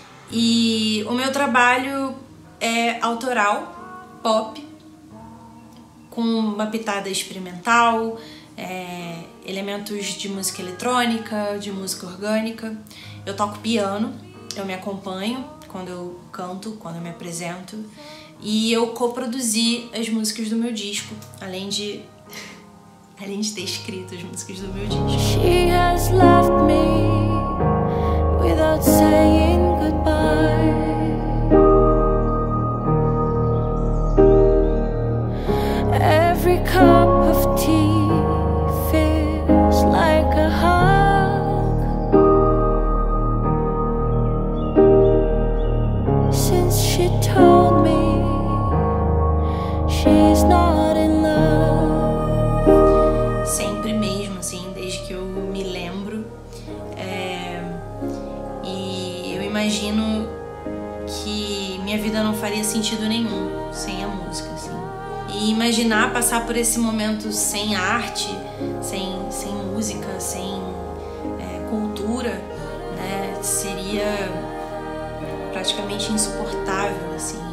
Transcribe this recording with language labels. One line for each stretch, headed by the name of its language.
Portuguese: E o meu trabalho é autoral, pop, com uma pitada experimental, elementos de música eletrônica, de música orgânica. Eu toco piano, eu me acompanho quando eu canto, quando eu me apresento. E eu coproduzi as músicas do meu disco, além de ter escrito as músicas do meu disco.
English: She has left me without saying goodbye. Every cup of tea feels like a hug. Since she told me she's not in love.
Portuguese: Sempre mesmo, assim, desde que eu me lembro. E eu imagino que minha vida não faria sentido nenhum sem a música, assim. E imaginar passar por esse momento sem arte, sem música, sem cultura, né, seria praticamente insuportável, assim.